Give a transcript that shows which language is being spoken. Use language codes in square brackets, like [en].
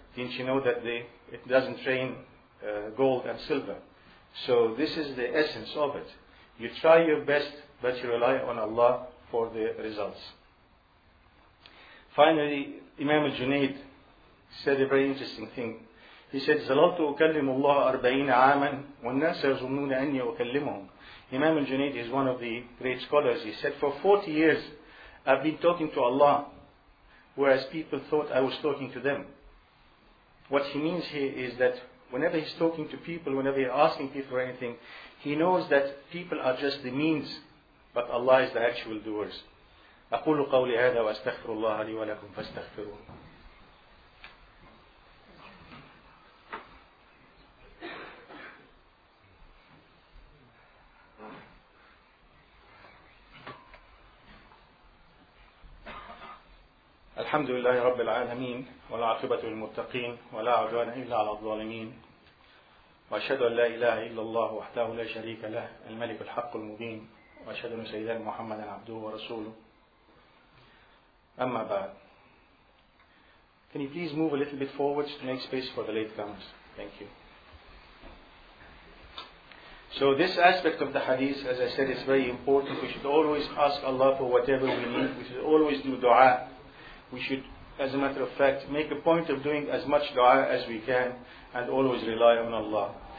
[en] Didn't you know that it doesn't rain gold and silver? So this is the essence of it. You try your best, but you rely on Allah for the results. Finally, Imam al-Junayd said a very interesting thing. He said, [ar] زَلَلْتُ أُكَلِّمُ اللَّهَ 40 عَامًا وَالنَّاسَ يَظُنُّونَ أَنِّي أُكَلِّمُهُمْ. [en] Imam al-Junayd is one of the great scholars. He said, for 40 years, I've been talking to Allah, whereas people thought I was talking to them. What he means here is that whenever he's talking to people, whenever he's asking people for anything, he knows that people are just the means, but Allah is the actual doers. [ar] أقول قولي هذا وأستغفر الله لي ولكم فاستغفروه. الحمد لله رب العالمين والعاقبة للمتقين ولا عدوان إلا على الظالمين وأشهد أن لا إله إلا الله وحده لا شريك له الملك الحق المبين وأشهد أن سيدنا محمد عبده ورسوله أما بعد. [en] Can you please move a little bit forward to make space for the late comers? Thank you. So this aspect of the hadith, as I said, is very important. We should always ask Allah for whatever we need. We should always do dua. We should, as a matter of fact, make a point of doing as much dua as we can and always rely on Allah.